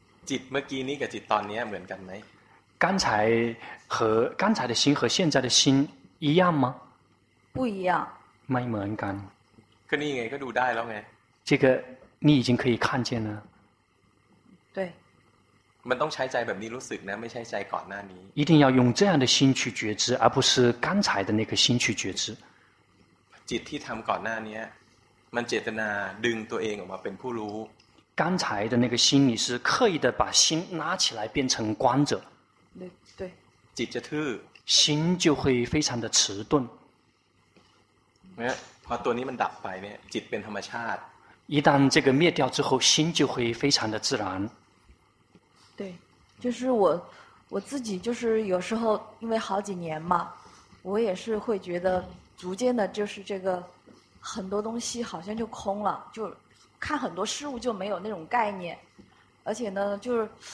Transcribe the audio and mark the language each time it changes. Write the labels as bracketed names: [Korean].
[Thai] จิตเมื่อกี้นี้กับจิตตอนนี้เหมือนกันไหม [Chinese] 刚才和刚才的心和现在的心一样吗不一样 [Thai] ไม่เหมือนกัน ก็นี่ไงก็ดูได้แล้วไง [Chinese] 这个你已经可以看见了对 [Thai] มันต้องใช้ใจแบบนี้รู้สึกนะไม่ใช่ใจก่อนหน้านี้ [Chinese] 一定要用这样的心去觉知而不是刚才的那个心去觉知 [Thai] จิตที่ทำก่อนหน้านี้มันเจตนาดึงตัวเองออกมาเป็นผู้รู้ [Chinese] 刚才的那个心你是刻意的把心拉起来变成观者对对 [Thai] จิตจะทื่ [Chinese] อ心就会非常的迟钝 [Thai] พอตัวนี้มันดับไปเนี่ยจิตเป็นธรรมชาติ [Chinese] 一旦这个灭掉之后心就会非常的自然对就是我自己就是有时候因为好几年嘛我也是会觉得逐渐的就是这个很多东西好像就空了就看很多事物就没有那种概念而且呢就